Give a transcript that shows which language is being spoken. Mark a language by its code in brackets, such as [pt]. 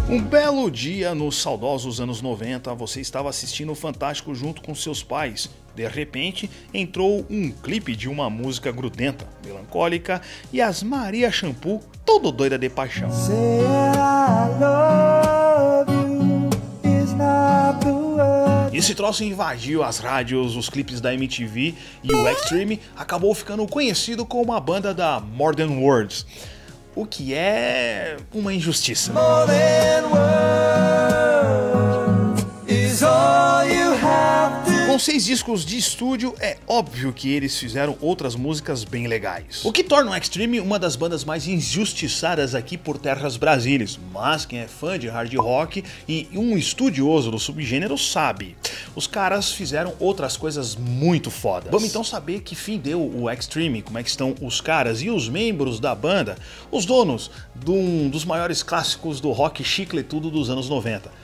[pt] belo dia, nos saudosos anos 90, você estava assistindo o Fantástico junto com seus pais. De repente, entrou um clipe de uma música grudenta, melancólica, e as Maria Shampoo, todo doida de paixão. [en] Say I love you, it's not the word. [pt] Esse troço invadiu as rádios, os clipes da MTV e o Xtreme acabou ficando conhecido como a banda da More Than Words. O que é uma injustiça. [en] More than words is all you have to... [pt] Com 6 discos de estúdio, é óbvio que eles fizeram outras músicas bem legais. O que torna o Xtreme uma das bandas mais injustiçadas aqui por terras brasileiras. Mas quem é fã de hard rock e um estudioso do subgênero sabe. Os caras fizeram outras coisas muito fodas. Vamos então saber que fim deu o Xtreme, como é que estão os caras e os membros da banda, os donos de um dos maiores clássicos do rock chicletudo dos anos 90.